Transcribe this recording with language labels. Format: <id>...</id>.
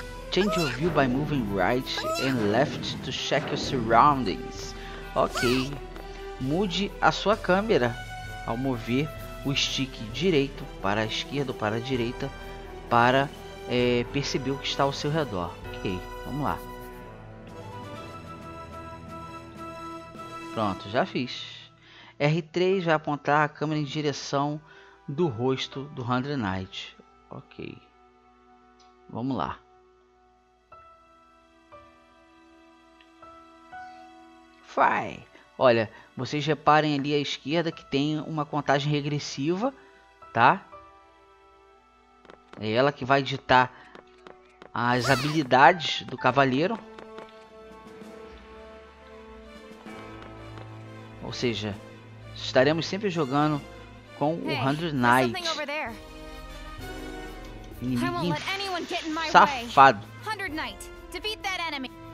<en>Change your view by moving right and left to check your surroundings. Ok.</en> <pt>Mude a sua câmera ao mover o stick direito para a esquerda ou para a direita para perceber o que está ao seu redor. Ok, vamos lá. Pronto, já fiz. R3 vai apontar a câmera em direção do rosto do Hunter Knight. Ok. Vamos lá. Vai. Olha, vocês reparem ali à esquerda que tem uma contagem regressiva, tá? É ela que vai ditar as habilidades do cavaleiro. Ou seja, estaremos sempre jogando com o Hunter Knight. Inimigo safado.</pt> <en>Hunter Knight, defeat that enemy.</en>